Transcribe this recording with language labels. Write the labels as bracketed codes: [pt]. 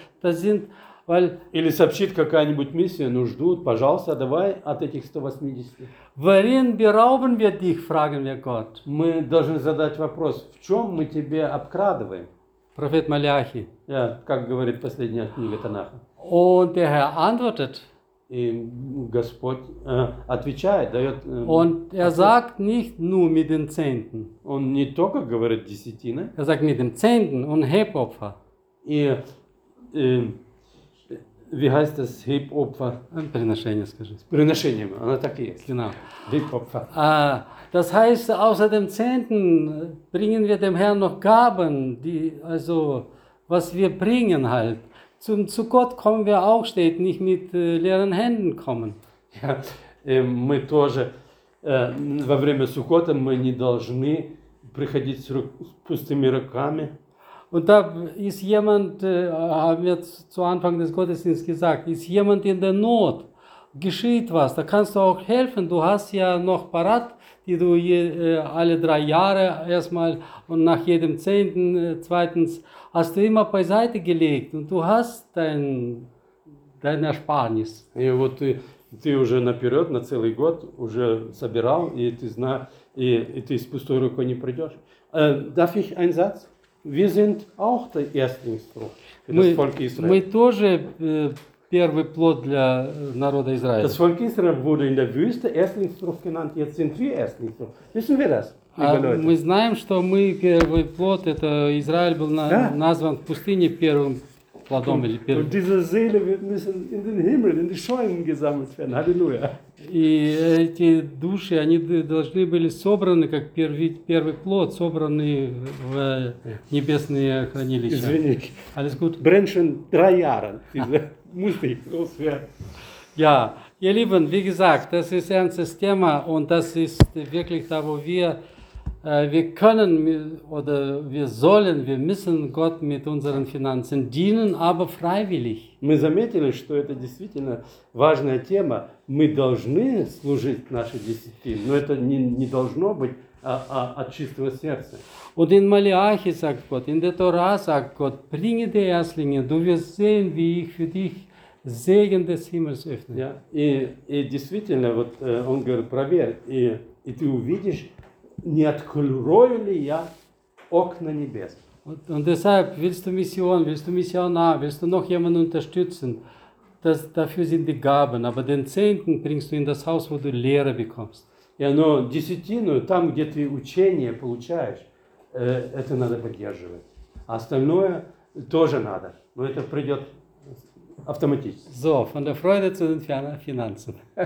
[de] Das sind... Weil, [ru] или сообщит какая-нибудь миссия, ну ждут, пожалуйста, давай от этих 180. [de] Worin berauben wir dich, fragen wir Gott. [ru] Мы должны задать вопрос, в чем мы тебе обкрадываем? [de] Prophet Malachi. [ru] Ja, как говорит последняя книга Танаха. [de] Und der Herr antwortet. [ru] И Господь отвечает, дает... [de] Und er sagt nicht nur mit den Zehnten. [ru] Он не только говорит десятины. [de] Er sagt mit den Zehnten und Hebopfer. [ru] И [de] wie heißt das Hebopfer? [ru] Приношение, скажи. Приношением, оно так и есть. [de] Genau. Hebopfer. Das heißt, außer dem Zehnten bringen wir dem Herrn noch Gaben, die, also, was wir bringen halt. Zu Gott kommen wir auch, steht nicht mit leeren Händen kommen. [ru] Ja, мы тоже во время Суккота мы не должны приходить с пустыми руками. [de] Und da ist jemand, haben wir zu Anfang des Gottesdienstes gesagt, ist jemand in der Not, geschieht was, da kannst du auch helfen. Du hast ja noch parat, die du alle drei Jahre erstmal und nach jedem Zehnten, zweitens, hast du immer beiseite gelegt und du hast dein Ersparnis. [ru] Ja, вот ты уже наперед, на целый год уже собирал, и ты знаешь, и ты с пустой рукой не придешь. [de] Darf ich einen Satz? Wir sind auch der Erstlingsfrucht für das Volk Israel. [ru] Мы тоже первый плод для народа Израиля. [de] Das Volk Israel wurde in der Wüste Erstlingsfrucht genannt. Jetzt sind wir Erstlingsfrucht. Wissen wir das? [ru] Мы знаем, что мы первый плод. Это Израиль был назван в пустыне первым плодом или первым. [de] Diese Seele wird müssen in den Himmel, in die Scheunen gesammelt werden. Halleluja. [ru] И эти души, они должны были собраны, как первый плод, собраны в небесные хранилища. Извините. [de] Alles gut? Brennchen drei Jahre. Musste ich so schwer. Ja, ihr Lieben, wie gesagt, das ist ein System und das ist wirklich da, wo wir können oder wir sollen, wir müssen Gott mit unseren Finanzen dienen, aber freiwillig. [ru] Мы заметили, что это действительно важная тема. Мы должны служить нашей десятине, но это не должно быть от чистого сердца. [de] Und in Malachi sagt Gott, in der Torah sagt Gott, bringe die Erstlinge, du wirst sehen, wie ich für dich Segen des Himmels öffnen. [ru] Ja, и действительно, вот он говорит, проверь, и ты увидишь, не открою ли я окна небес. [de] Und deshalb, willst du Missionar, willst du noch jemanden unterstützen, dafür sind die Gaben, aber den Zehnten bringst du in das Haus, wo du Lehre bekommst. [ru] Ja, но десятину, там, где ты учение получаешь, это надо поддерживать. Остальное тоже надо, но это придет... Автоматически. [de] So, von der Freude zu den Finanzen.